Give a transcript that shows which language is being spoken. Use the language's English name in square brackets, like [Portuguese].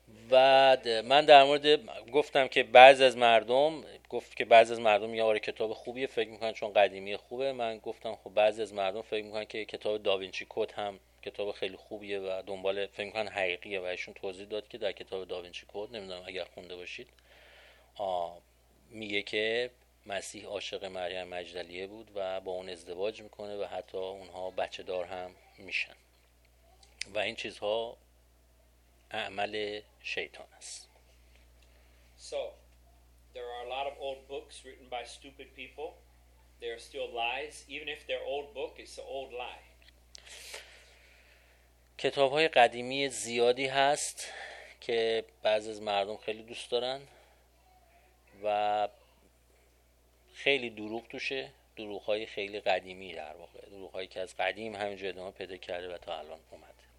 [Persian] بعد من در مورد گفتم که بعضی از مردم گفت که بعضی از مردم یه آره کتاب خوبیه فکر میکنن چون قدیمی خوبه من گفتم خب بعضی از مردم فکر میکنن که کتاب داوینچی کد هم کتاب خیلی خوبیه و دنبال فکر میکنن حقیقیه و ایشون توضیح داد که در کتاب داوینچی کد نمیدونم اگر خونده باشید میگه که مسیح عاشق مریم مجدلیه بود و با اون ازدواج میکنه و حتی اونها بچه دار هم میشن و این چیزها اعمال شیطان است. [English] So there are a lot of old books written by stupid people. They are still lies even if their old book is an old lie. [Persian] کتاب‌های قدیمی زیادی هست که بعضی از مردم خیلی دوست دارن و خیلی دروغ توشه، دروغ‌های خیلی قدیمی در واقع، دروغ‌هایی که از قدیم همینجوری ادامه پیدا کرده و تا الان اومده.